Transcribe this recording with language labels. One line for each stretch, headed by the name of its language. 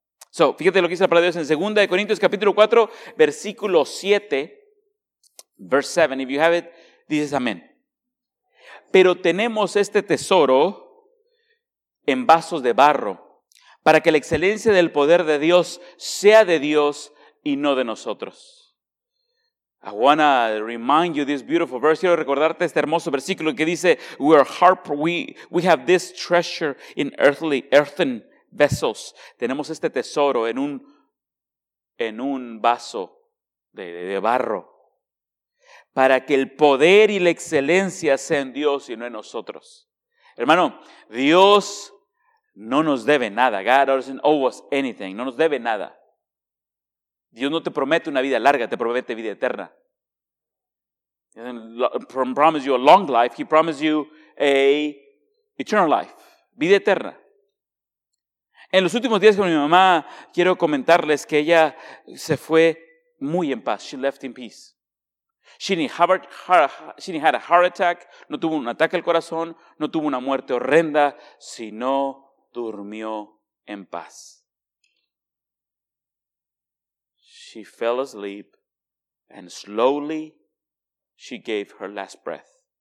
Spanish: So, fíjate lo que dice la palabra de Dios en 2 Corintios capítulo 4, versículo 7,
English: verse 7, if you have it,
Spanish: dices amén. Pero tenemos este tesoro en vasos de barro, para que la excelencia del poder de Dios sea de Dios y no de nosotros.
English: I want to remind you this beautiful verse.
Spanish: Quiero recordarte este hermoso versículo que dice,
English: we have this treasure in earthen vessels.
Spanish: Tenemos este tesoro en un vaso de barro. Para que el poder y la excelencia sea en Dios y no en nosotros. Hermano, Dios no nos debe nada.
English: God doesn't owe us anything.
Spanish: No nos debe nada. Dios no te promete una vida larga, te promete vida eterna.
English: He doesn't promise you a long life, he promises you a eternal life,
Spanish: vida eterna. En los últimos días con mi mamá, quiero comentarles que ella se fue muy en paz.
English: She left in peace. She didn't have a heart attack,
Spanish: no tuvo un ataque al corazón, no tuvo una muerte horrenda, sino durmió en paz.
English: She fell asleep and slowly she gave her last breath.